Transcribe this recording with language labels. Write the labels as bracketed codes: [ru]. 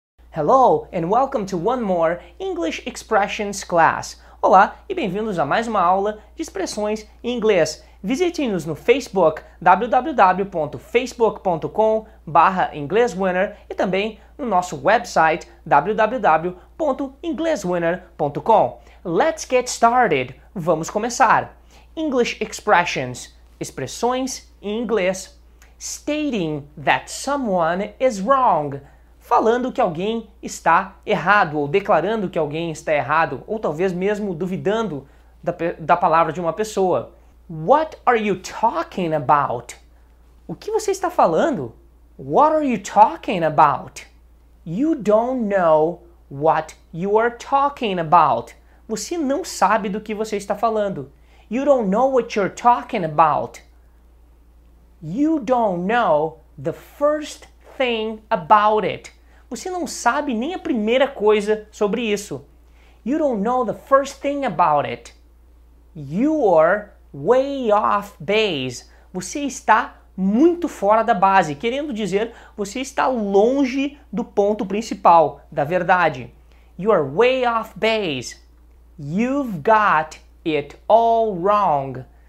[en] Hello and welcome to one more English Expressions class. [pt] Olá e bem-vindos a mais uma aula de expressões em inglês. Visite-nos no Facebook www.facebook.com/englishwinner e também no nosso website www.englishwinner.com. [en] Let's get started. [pt] Vamos começar. [en] English Expressions. [pt] Expressões em inglês. [en] Stating that someone is wrong. [pt] Falando que alguém está errado, ou declarando que alguém está errado, ou talvez mesmo duvidando da palavra de uma pessoa. [en] What are you talking about? [pt] O que você está falando? [en] What are you talking about? You don't know what you are talking about. [pt] Você não sabe do que você está falando. [en] You don't know what you're talking about. You don't know the first thing about it. [pt] Você não sabe nem a primeira coisa sobre isso. [en] You don't know the first thing about it. You are way off base. [pt] Você está muito fora da base, querendo dizer, você está longe do ponto principal, da verdade. [en] You are way off base. You've got it all wrong.